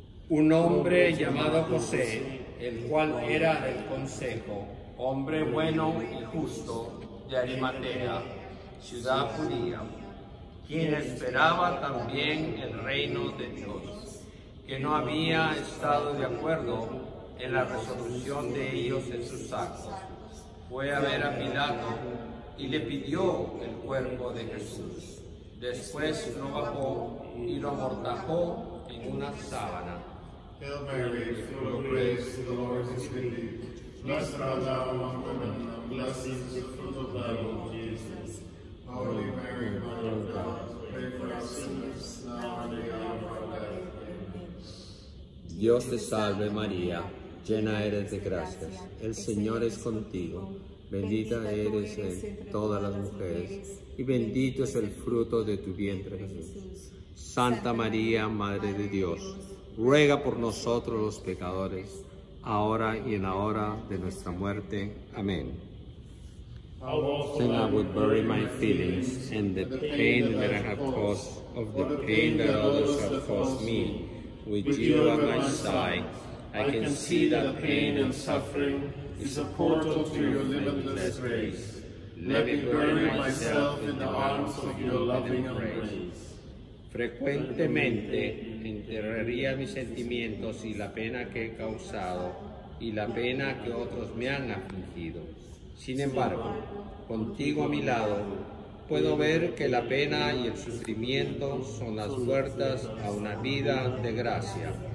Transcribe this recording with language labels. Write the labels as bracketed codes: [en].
[es] Un hombre llamado José, el cual era del consejo, hombre bueno y justo, de Arimatea, ciudad judía, quien esperaba también el reino de Dios, que no había estado de acuerdo en la resolución de ellos en sus actos, fue a ver a Pilato y le pidió el cuerpo de Jesús. Después lo bajó y lo amortajó en una sábana. [en] Hail Mary, full of grace, the Lord is with thee. Blessed art thou among women, and blessed is the fruit of thy womb, Jesus. Holy Mary, Mother of God, pray for us sinners, now and at the hour of our death. Amen. [es] Dios te salve, María. Llena eres de gracias. El Señor es contigo. Bendita eres entre todas las mujeres. Y bendito es el fruto de tu vientre, Jesús. Santa María, Madre de Dios, ruega por nosotros los pecadores, ahora y en la hora de nuestra muerte. Amén. [en] Then I would bury my feelings and the pain that I have caused of the pain that others have caused me. With you at my side, I can see that pain and suffering is a portal to your limitless grace. Let me bury myself in the arms of your loving embrace. [es] Frecuentemente enterraría mis sentimientos y la pena que he causado y la pena que otros me han afligido. Sin embargo, contigo a mi lado, puedo ver que la pena y el sufrimiento son las puertas a una vida de gracia.